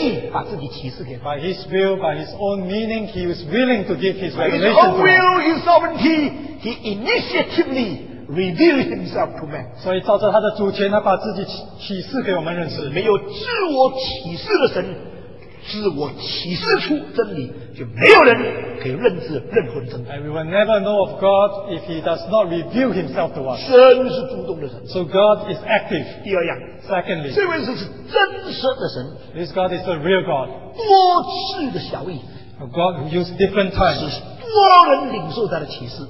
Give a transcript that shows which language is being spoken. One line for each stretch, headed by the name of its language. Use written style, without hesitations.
English: by his will, by his own meaning, he was willing to give his revelation. By his own will, his sovereignty, he initiatively revealed himself to man.
Chinese: 所以照着他的主权,他把自己启示给我们认识。没有自我启示的神, 自我启示出真理, 就没有人可以认识任何真理。
English: And we will never know of God if he does not reveal himself to us.
Chinese: 神是主动的神。
English: So God is active.
Chinese: 第二样,
English: Secondly,
Chinese: 这位神是真实的神,
English: this God is a real God.
Chinese: 多次的小意,
English: a God who used different times
Chinese: 是多人领受他的启示,